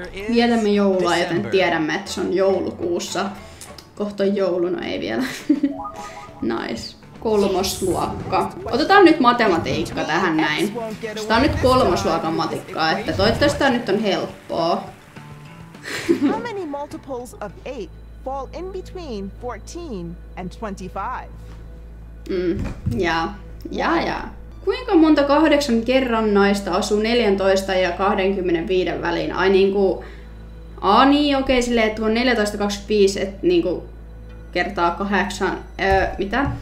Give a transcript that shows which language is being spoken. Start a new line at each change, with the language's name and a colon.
Finnish: Vietämme joulua, joten tiedämme, että se on joulukuussa. Kohta jouluna ei vielä. Nice. Kolmosluokka. Otetaan nyt matematiikka tähän näin. Tää on nyt kolmosluokan matikkaa, että toivottavasti tää nyt on helppoa.
English: How many multiples of 8 fall in between 14 and 25?
Finnish: Jaa. Kuinka monta 8 kerrannaista asuu 14 ja 25 väliin? Ai niinku... okei, silleen, että on 14-25, että niinku... kertaa 8. Mitä?